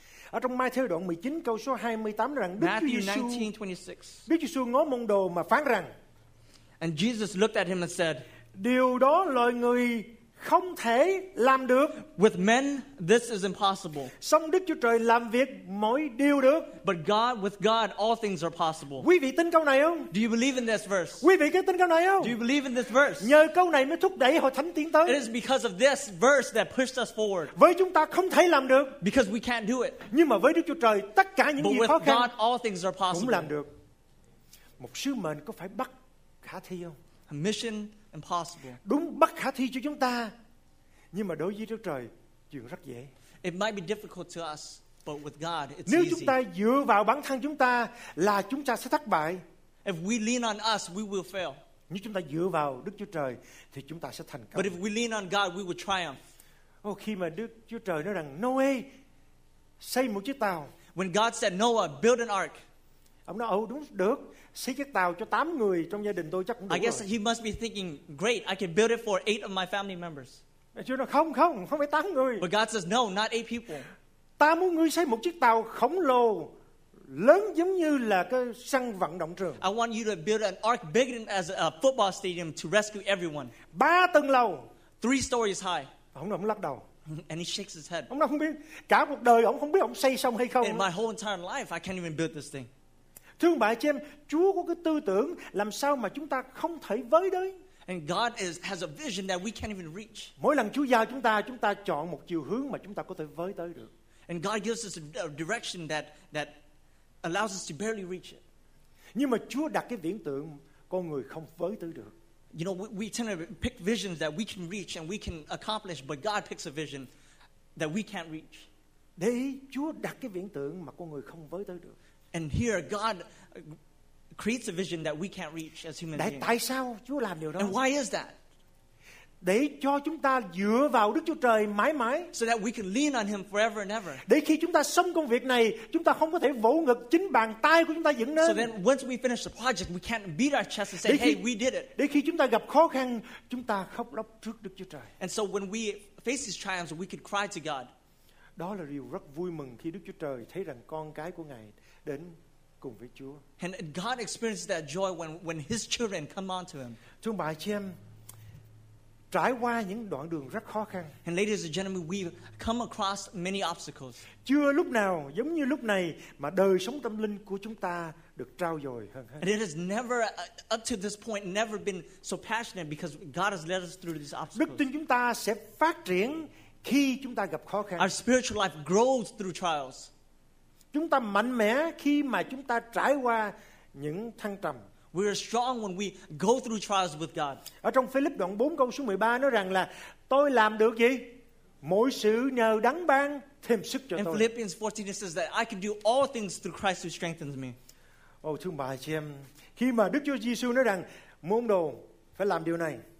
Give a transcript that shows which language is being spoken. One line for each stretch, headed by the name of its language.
Vietnamese: Ở trong Matthew đoạn 19 câu số 28 nói rằng Đức Chúa Giêsu. Đức Giêsu ngó môn đồ mà phán rằng.
English: And Jesus looked at him and said,
Vietnamese: điều đó loài người không thể làm được.
English: With men, this is impossible.
Vietnamese: Song Đức Chúa Trời làm việc mọi điều được.
English: But God, with God, all things are possible.
Vietnamese: Quý vị tin câu này không?
English: Do you believe in this verse?
Vietnamese: Quý vị có tin câu này không?
English: Do you believe in this verse?
Vietnamese: Nhờ câu này mới thúc đẩy hội thánh tiến tới.
English: It is because of this verse that pushed us forward.
Vietnamese: Với chúng ta không thể làm được.
English: Because we can't do it.
Vietnamese: Nhưng mà với Đức Chúa Trời, tất cả những gì khó khăn
English: God, all things are possible.
Vietnamese: Cũng làm được. Một sứ mệnh có phải bất khả thi không?
English: A mission impossible.
Vietnamese: Đúng bất khả thi cho chúng ta, nhưng mà đối với Đức Trời, chuyện rất dễ.
English: It might be difficult to us, but with God, it's easy.
Vietnamese: Nếu chúng ta dựa vào bản thân chúng ta, là chúng ta sẽ thất bại.
English: If we lean on us, we will fail.
Vietnamese: Nếu chúng ta dựa vào Đức Chúa Trời, thì chúng ta sẽ thành công.
English: But if we lean on God, we will triumph.
Vietnamese: Oh, khi mà Đức Chúa Trời nói rằng Noe xây một chiếc tàu.
English: When God said Noah, build an ark.
Vietnamese: Ông nói, đúng, được. Xây chiếc tàu cho 8 người trong gia đình tôi chắc cũng được.
English: I guess
Vietnamese: rồi.
English: He must be thinking, great, I can build it for 8 of my family members.
Vietnamese: Chúa nói, không phải 8 người.
English: But God says, no, not 8 people.
Vietnamese: Ta muốn ngươi xây một chiếc tàu khổng lồ, lớn giống như là cái sân vận động trường.
English: I want you to build an ark bigger than as a football stadium to rescue everyone.
Vietnamese: 3 tầng lầu.
English: 3 stories high.
Vietnamese: Ông nói, ông lắc đầu.
English: And he shakes his head.
Vietnamese: Ông nói, không biết, cả cuộc đời ông không biết ông xây xong hay không.
English: In my whole entire life, I can't even build this thing.
Vietnamese: Thương bại cho em, Chúa có cái tư tưởng làm sao mà chúng ta không thể với đấy.
English: And God has a vision that we can't even reach.
Vietnamese: Mỗi lần Chúa giao chúng ta chọn một chiều hướng mà chúng ta có thể với tới được.
English: And God gives us a direction that allows us to barely reach it.
Vietnamese: Nhưng mà Chúa đặt cái viễn tưởng con người không với tới được.
English: You know, we tend to pick visions that we can reach and we can accomplish, but God picks a vision that we can't reach.
Vietnamese: Để Chúa đặt cái viễn tưởng mà con người không với tới được.
English: And here God creates a vision that we can't reach as human beings.
Vietnamese: Tại sao Chúa làm điều đó?
English: And why is that?
Vietnamese: Để cho chúng ta dựa vào Đức Chúa Trời mãi mãi.
English: So that we can lean on Him forever and ever.
Vietnamese: Để khi chúng ta xong công việc này, chúng ta không có thể vỗ ngực chính bàn tay của chúng ta dựng lên.
English: So then once we finish the project, we can't beat our chest and say, hey, we did it.
Vietnamese: Để khi chúng ta gặp khó khăn, chúng ta khóc lóc trước Đức Chúa Trời.
English: And so when we face these trials, we can cry to God.
Vietnamese: Đó là điều rất vui mừng khi Đức Chúa Trời thấy rằng con cái của Ngài đến cùng với Chúa.
English: And God experiences that joy when His children come on to Him.
Vietnamese: Thưa bà chị em, trải qua những đoạn đường rất khó khăn.
English: And ladies and gentlemen, we've come across many obstacles.
Vietnamese: Chưa lúc nào giống như lúc này mà đời sống tâm linh của chúng ta được trau dồi hơn.
English: And it has never, up to this point, never been so passionate because God has led us through these obstacles.
Vietnamese: Đức tin chúng ta sẽ phát triển khi chúng ta gặp khó khăn.
English: Our spiritual life grows through trials.
Vietnamese: Chúng ta mạnh mẽ khi mà chúng ta trải qua những thăng trầm.
English: We are strong when we go through trials with God.
Vietnamese: Ở trong Philip đoạn 4 câu số 13 nói rằng là tôi làm được gì? Mọi sự nhờ đấng ban thêm sức cho tôi.
English: In Philippians 14 it says that I can do all things through Christ who strengthens me.
Vietnamese: Oh, thưa bà chị em, khi mà Đức Chúa Giêsu nói rằng môn đồ phải làm điều này.